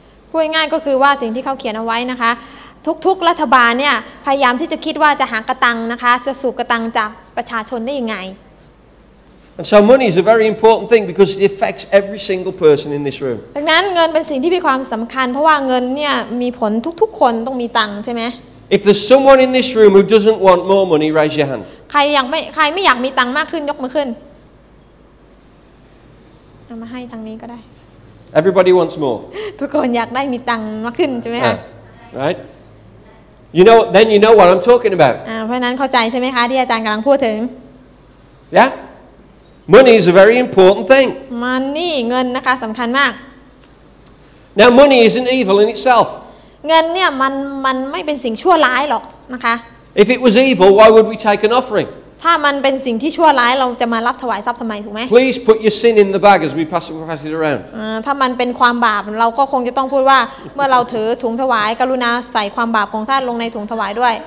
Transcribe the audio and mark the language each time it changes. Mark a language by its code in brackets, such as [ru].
[th] พูดง่ายก็คือว่าสิ่งที่เขาเขียนเอาไว้นะคะทุกๆรัฐบาลเนี่ยพยายามที่จะคิดว่าจะหากระตังนะคะจะสูบกระตังจากประชาชนได้ยังไง [en] And so money is a very important thing because it affects every single person in this room [th] ดังนั้นเงินเป็นสิ่งที่มีความสำคัญเพราะว่าเงินเนี่ยมีผลทุกๆคนต้องมีตังใช่ไหม [en] If there's someone in this room who doesn't want more money raise your hand [th] ใครอยากไม่ใครไม่อยากมีตังมากขึ้นยกมือขึ้นเอามาให้ทางนี้ก็ได้ [en] Everybody wants more [th] ทุกคนอยากได้มีตังมากขึ้นใช่ไหมคะ [en] Right You know, then you know what I'm talking about. [th] เพราะนั้นเข้าใจใช่ไหมคะที่อาจารย์กำลังพูดถึง [en] Yeah, money is a very important thing. [th] Money, เงินนะคะสำคัญมาก [en] Now, money isn't evil in itself. [th] เงินเนี่ยมันไม่เป็นสิ่งชั่วร้ายหรอกนะคะ [en] If it was evil, why would we take an offering? [th] ถ้ามันเป็นสิ่งที่ชั่วร้ายเราจะมารับถวายทรัพย์ทำไมถูกไหม [en] Please put your sin in the bag as we pass it around. [th] ถ้ามันเป็นความบาปเราก็คงจะต้องพูดว่าเมื่อเราถือถุงถวายกรุณาใส่ความบาปของท่านลงในถุงถวายด้วย